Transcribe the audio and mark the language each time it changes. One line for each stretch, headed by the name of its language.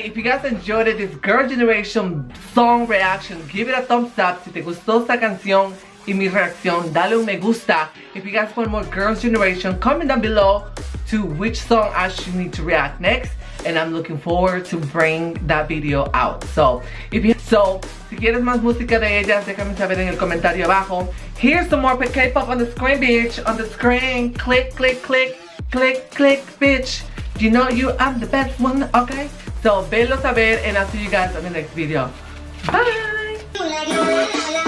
English: If you guys enjoyed it, this Girl Generation song reaction, give it a thumbs up.
Spanish: Si te gustó esta canción y mi reacción, dale un me gusta.
English: If you guys want more Girls Generation, comment down below to which song I should need to react next. And I'm looking forward to bring that video out.
Spanish: So si quieres más música de ellas, déjame saber en el comentario abajo.
English: Here's some more K-pop on the screen, bitch. On the screen. Click, click, click. Click, click, bitch. You know you are the best one, okay? So,
Spanish: velo saber,
English: and I'll see you guys on the next video. Bye!